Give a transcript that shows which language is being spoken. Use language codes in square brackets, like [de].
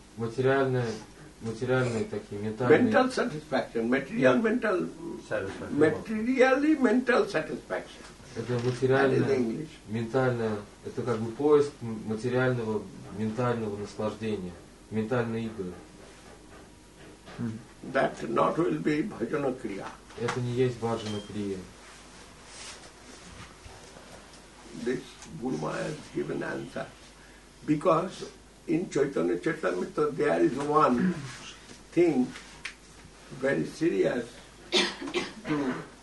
[ru] Материальные такие, ментальные. [en] Mental satisfaction. Material mental satisfaction. Materially mental satisfaction. [ru] Это материальное, ментальное, это как бы поиск материального, ментального наслаждения, ментальной игры. [en] That not will be bhajana kriya. [ru] Это не есть bhajana kriya. [en] This Guru Maharaj has given answer. Because in Chaitanya Charitamrita there is one thing very serious to